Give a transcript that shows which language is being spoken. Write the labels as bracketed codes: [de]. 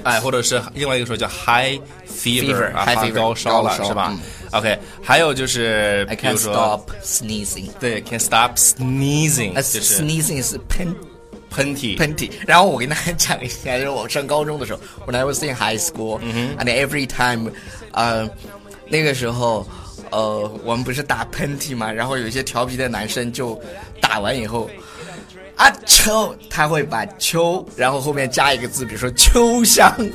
[zh] 哎，或者是另外一个说叫 [en] high fever， [zh] 啊， [en] high fever， [zh] 高烧了，烧是吧？OK， 还有就是比如说 [en] I can't stop sneezing。 [zh] 对 [en] can't stop sneezing、 [zh] 就是、 sneezing 是喷嚏。然后我跟大家讲一下，就是我上高中的时候 [en] when I was in high school、and every time、 [zh] 那个时候我们不是打喷嚏嘛，然后有一些调皮的男生就打完以后啊秋，他会把秋然后后面加一个字，比如说秋香